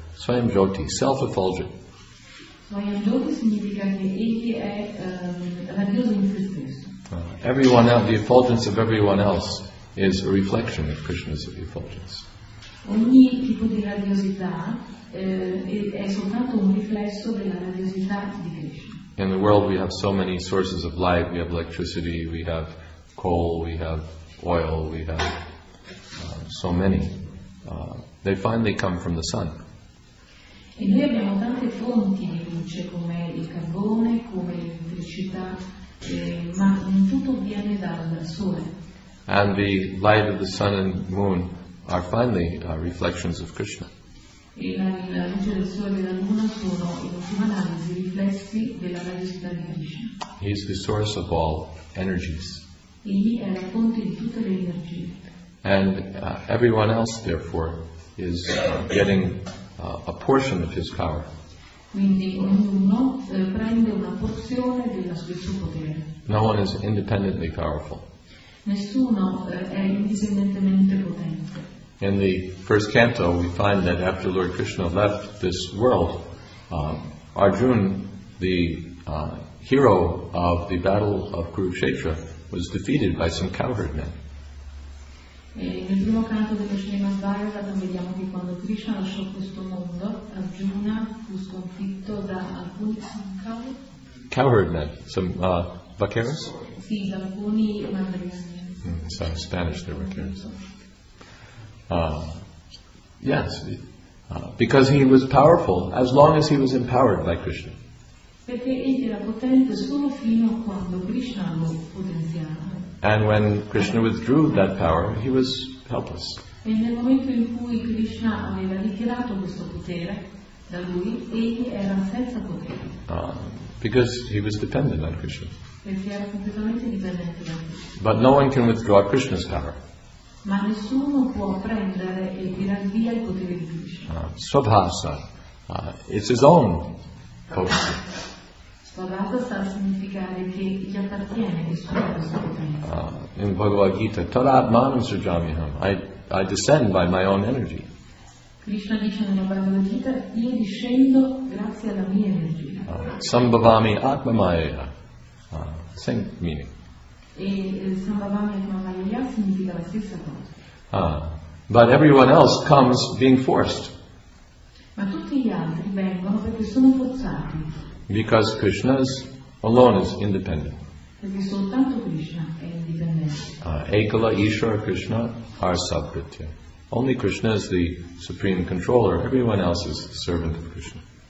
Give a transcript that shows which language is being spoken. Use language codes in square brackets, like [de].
[en] Swayam Jyoti, self-effulgent. [it] Swayam Jyoti significa che egli è radioso in se stesso. [en] Everyone else, the effulgence of everyone else is a reflection of Krishna's effulgence. [it] Ogni tipo di radiosità è soltanto un riflesso della radiosità di Krishna. [en] In the world we have so many sources of light. We have electricity, we have coal, we have oil, we have so many. They finally come from the sun. [it] E noi abbiamo tante fonti di luce, come il carbone, come l'elettricità, ma tutto viene dal sole. [en] And the light of the sun and moon are finally reflections of Krishna. [it] E la luce del sole e della luna sono, in ultima analisi, riflessi della radiosità di Krishna. [en] He is the source of all energies. [it] Egli è la fonte di tutte le energie. [en] And everyone else, therefore, is getting a portion of his power. [it] Quindi ognuno prende una porzione del suo potere. [en] No one is independently powerful. [it] Nessuno è indipendentemente potente. [en] In the first canto, we find that after Lord Krishna left this world, Arjuna, the hero of the battle of Kurukshetra, was defeated by some cowherd men. [it] Nel primo canto della Śrīmad-Bhāgavatam vediamo che quando Krishna lasciò questo mondo, Arjuna fu sconfitto da alcuni [en] cowherd men, some vaqueros. [it] Sì, da alcuni mandriani. [en] Sorry, Spanish, they're vaqueros. Yes, because he was powerful as long as he was empowered by Krishna. [it] Perché egli era potente solo fino a quando Krishna lo potenziava. [en] And when Krishna withdrew that power, he was helpless. [it] E nel momento in cui Krishna aveva ritirato questo potere da lui, egli era senza potere. [en] Because he was dependent on Krishna. [it] Perché era completamente dipendente da lui. [en] But no one can withdraw Krishna's power. [it] Ma nessuno può prendere e tirar via il potere di Krishna. [en] Svabhasa, it's his own potency. [it] Svabhasa significa significare che gli appartiene questo potere. [en] In Bhagavad Gita, [sa] Tadatmanam Srijamyaham, [en] I descend by my own energy. [it] Krishna dice nella Bhagavad Gita, io discendo grazie alla mia energia. [sa] Sambhavami Atmamaya. [en] Same meaning. [it] E Sambhavami Atmamaya significa la stessa cosa. [en] But everyone else comes being forced. [it] Ma tutti gli altri vengono perché sono forzati. [en] Because Krishna alone is independent. [it] Perché soltanto Krishna è indipendente. [sa] Ekala Ishvara Krishna are sabhritya. [en] Only Krishna is the supreme controller. Everyone else is servant of Krishna.